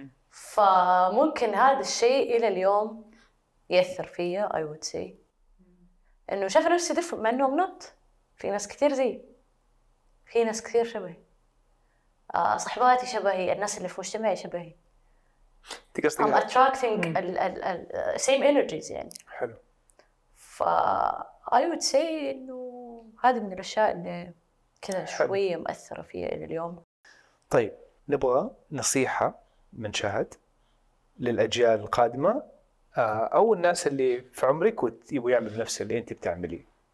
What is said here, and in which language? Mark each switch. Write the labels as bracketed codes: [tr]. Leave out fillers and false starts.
[ar] فممكن هذا الشيء الى اليوم يأثر فيها [en] I would say [ar] انه شايف نفسي different مع انه [en] I'm not، [ar] في ناس كثير زي، في ناس كثير شبهي، صحباتي شبهي، الناس اللي في مجتمعي شبهي. تقصدي [en] I'm attracting ال same energies يعني. [ar] حلو. ف [en] I would say [ar] إنه هذا من الأشياء اللي كذا شوية مؤثرة فيها إلى اليوم. طيب نبغى نصيحة من شاهد للأجيال القادمة أو الناس اللي في عمرك ويبغوا يعملوا نفس اللي أنت بتعمليه؟